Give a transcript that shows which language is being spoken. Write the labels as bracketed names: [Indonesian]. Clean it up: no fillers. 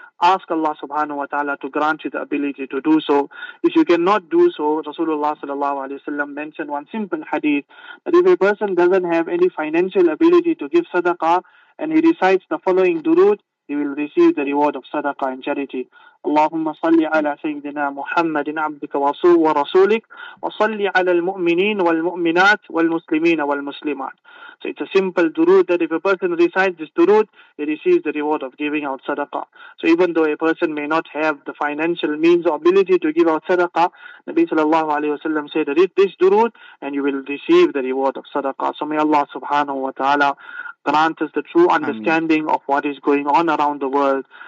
[English] Ask Allah subhanahu wa ta'ala to grant you the ability to do so. If you cannot do so, Rasulullah sallallahu alayhi wa sallam mentioned one simple hadith that if a person doesn't have any financial ability to give sadaqah and he recites the following durood, he will receive the reward of sadaqah and charity. [Arabic] اللهم صل على سيدنا محمد عبدك ورسولك وصل على المؤمنين والمؤمنات والمسلمين والمسلمات. [English] So it's a simple durood that if a person recites this durood, he receives the reward of giving out sadaqah. So even though a person may not have the financial means or ability to give out sadaqah, Nabi sallallahu alayhi wa sallam said, read this durood and you will receive the reward of sadaqah. So may Allah subhanahu wa ta'ala grant us the true understanding of what is going on around the world.